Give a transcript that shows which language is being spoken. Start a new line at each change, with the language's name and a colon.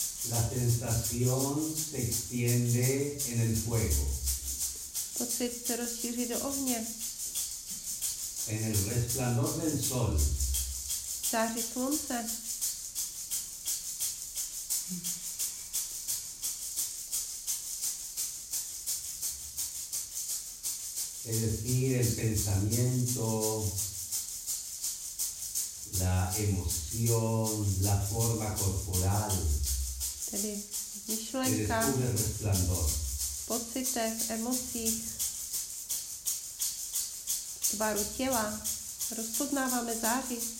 Spanish: La tentación se extiende en el fuego.
Czech: Pocit se rozšíří do ohně.
Spanish: En el resplandor del sol.
Czech: Září slunce.
Spanish: Es decir, el pensamiento, la emoción, la forma corporal.
Czech: Tedy myšlenka,
Spanish: el resplandor.
Czech: Pocitech, emocích, tvaru těla, rozpoznáváme záři.